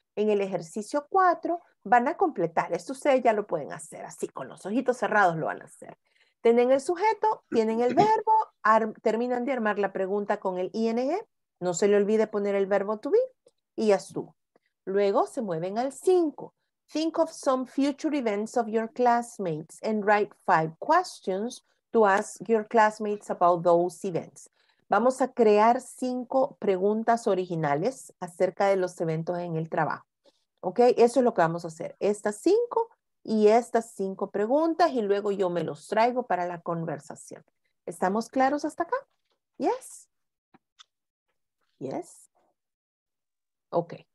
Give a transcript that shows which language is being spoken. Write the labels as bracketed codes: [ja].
[es] En el ejercicio 4 van a completar. Esto ustedes ya lo pueden hacer así con los ojitos cerrados lo van a hacer. Tienen el sujeto, tienen el verbo, terminan de armar la pregunta con el ING. No se le olvide poner el verbo to be y ya estuvo. Luego se mueven al 5. [en] Think of some future events of your classmates and write 5 questions to ask your classmates about those events. [es] Vamos a crear 5 preguntas originales acerca de los eventos en el trabajo. ¿Ok? Eso es lo que vamos a hacer. Estas 5 y estas 5 preguntas y luego yo me los traigo para la conversación. ¿Estamos claros hasta acá? [en] Yes. Yes. Ok.